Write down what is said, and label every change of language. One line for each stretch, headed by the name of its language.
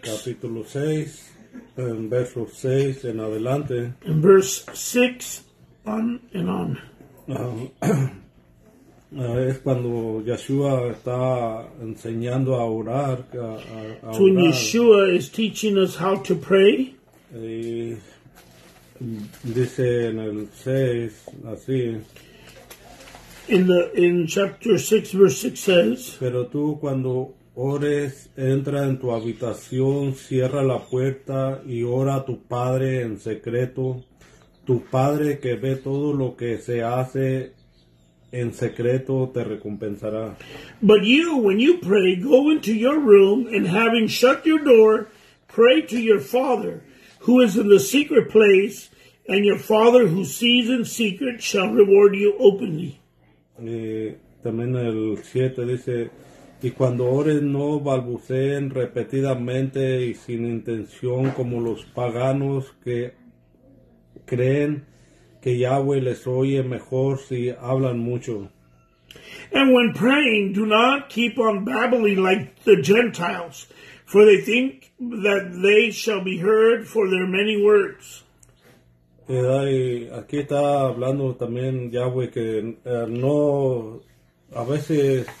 Spanish: Capítulo 6, en verso 6 en adelante.
English: In verse 6, on and on.
Spanish: Es cuando Yeshua está enseñando a orar.
English: So when Yeshua is teaching us how to pray.
Spanish: Dice en el 6, así.
English: In chapter 6, verse 6 says.
Spanish: Pero tú cuando ores, entra en tu habitación, cierra la puerta y ora a tu padre en secreto. Tu padre que ve todo lo que se hace en secreto te recompensará.
English: But you, when you pray, go into your room and having shut your door, pray to your father who is in the secret place. And your father who sees in secret shall reward you openly.
Spanish: También el 7 dice, y cuando ores no balbuceen repetidamente y sin intención como los paganos que creen que Yahweh les oye mejor si hablan mucho.
English: And when praying, do not keep on babbling like the Gentiles, for they think that they shall be heard for their many words.
Spanish: Y aquí está hablando también Yahweh que no, a veces